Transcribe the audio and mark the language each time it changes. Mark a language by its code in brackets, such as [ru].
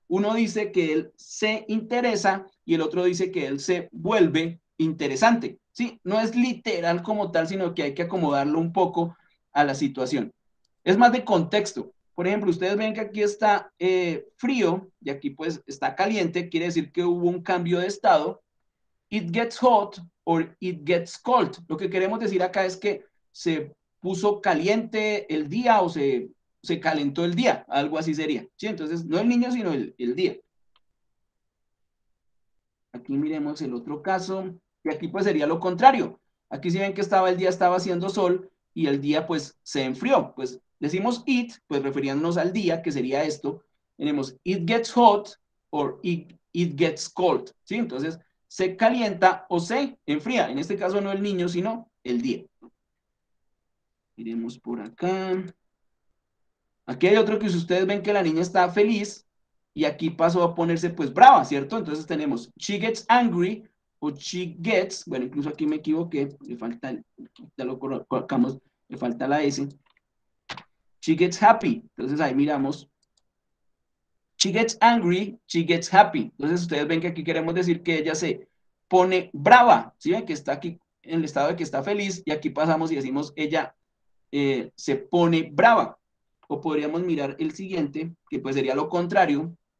[es] Uno dice que él se interesa y el otro dice que él se vuelve interesante. Sí, no es literal como tal, sino que hay que acomodarlo un poco a la situación. Es más de contexto. Por ejemplo, ustedes ven que aquí está frío y aquí pues está caliente, quiere decir que hubo un cambio de estado. [en] It gets hot or it gets cold. [es] Lo que queremos decir acá es que se puso caliente el día o se calentó el día, algo así sería. Sí, entonces no el niño, sino el día. Aquí miremos el otro caso y aquí pues sería lo contrario. Aquí si ven que estaba el día, estaba haciendo sol y el día pues se enfrió. Pues decimos it, pues refiriéndonos al día, que sería esto. Tenemos [en] it gets hot or it gets cold. [es] Sí, entonces se calienta o se enfría. En este caso no el niño, sino el día. Miremos por acá. Aquí hay otro que si ustedes ven que la niña está feliz y aquí pasó a ponerse pues brava, ¿cierto? Entonces tenemos [en] she gets angry [es] o she gets, bueno, incluso aquí me equivoqué, le falta, ya lo colocamos, le falta la S. [en] She gets happy. [es] Entonces ahí miramos. [en] She gets angry, she gets happy. [es] Entonces ustedes ven que aquí queremos decir que ella se pone brava, ¿sí? Que está aquí en el estado de que está feliz y aquí pasamos y decimos ella. Se pone brava. O podríamos mirar el siguiente, que pues sería lo contrario.